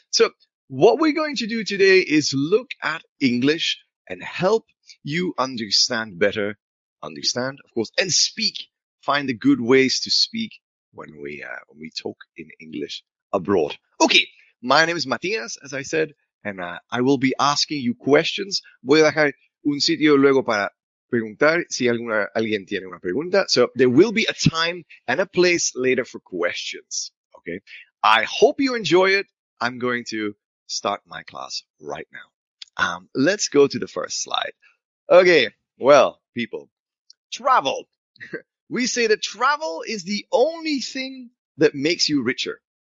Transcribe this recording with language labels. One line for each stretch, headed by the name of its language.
English: So what we're going to do today is look at English and help you understand better, understand, of course, and speak, find the good ways to speak when we talk in English abroad. Okay, my name is Matías, as I said, and I will be asking you questions.
Spanish: Voy a dejar un sitio luego para preguntar si alguien tiene una pregunta.
English: So there will be a time and a place later for questions, okay? I hope you enjoy it. I'm going to start my class right now. Let's go to the first slide. Okay, well, people, travel. We say that travel is the only thing that makes you richer.